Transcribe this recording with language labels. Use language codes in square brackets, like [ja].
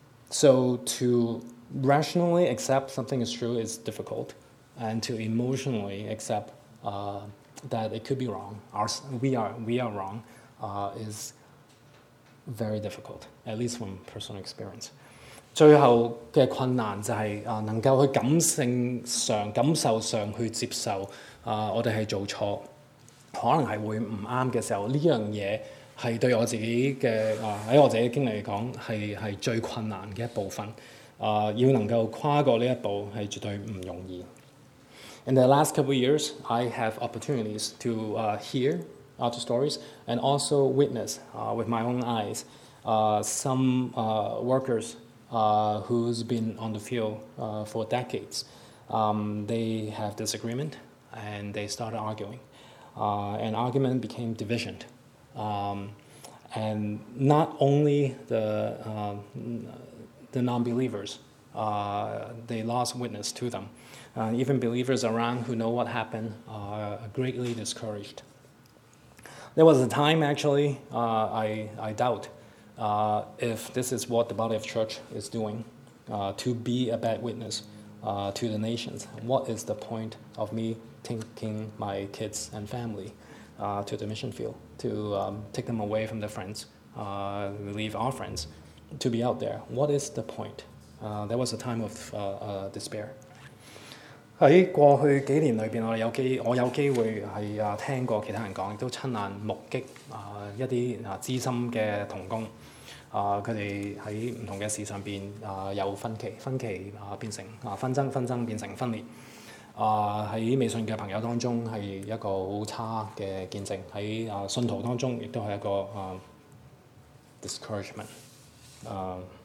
[en] So to rationally accept something is true is difficult, and to emotionally accept that it could be wrong, we are wrong, is. Very difficult, at least from personal experience. [zh] 最後的困難就是能夠去感性上、感受上去接受我們是做錯，可能是會不對的時候，這件事是對我自己的，在我自己的經歷來說，是最困難的一部分。要能夠跨過這一步是絕對不容易。 [en] In the last couple of years, I have opportunities to hear other stories and also witness with my own eyes some workers who's been on the field for decades. They have disagreement and they started arguing. And argument became division. And not only the non-believers, they lost witness to them. Even believers around who know what happened are greatly discouraged. There was a time, actually, I doubt if this is what the body of church is doing, to be a bad witness to the nations. What is the point of me taking my kids and family to the mission field, to take them away from their friends, leave our friends to be out there? What is the point? There was a time of despair. [zh] 在過去幾年裏面，我有機會是聽過其他人講，都親眼目擊一些資深的同工，他們在不同的事上有分歧，分歧變成紛爭，紛爭變成分裂，在微信的朋友當中是一個很差的見證，在信徒當中也是一個discouragement。